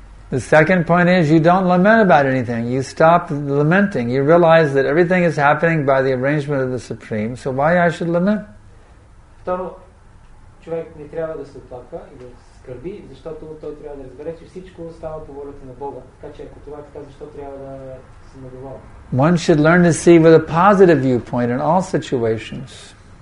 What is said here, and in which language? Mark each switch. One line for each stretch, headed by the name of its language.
English: The second point is you don't lament about anything. You stop lamenting. You realize that everything is happening by the arrangement of the Supreme, so why I should lament?
Bulgarian: Второ, човек не трябва да се оплаква и да скърби, защото той трябва да разбере, че всичко става по волята на Бога. Така че ако това е така, защо трябва да...
English: One should learn to see with a positive viewpoint in all situations.